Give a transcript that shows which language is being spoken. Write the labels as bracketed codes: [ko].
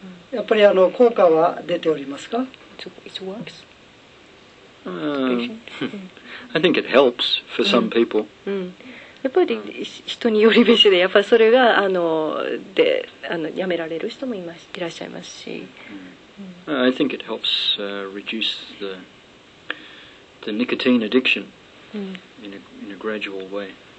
[ja] やっぱり効果は出ておりますか？ [en] I think it helps for some people. [ja] やっぱり人によりべしで、やっぱりそれがで、やめられる人もいらっしゃいますし。 [en] I think it helps reduce the nicotine addiction in a gradual way.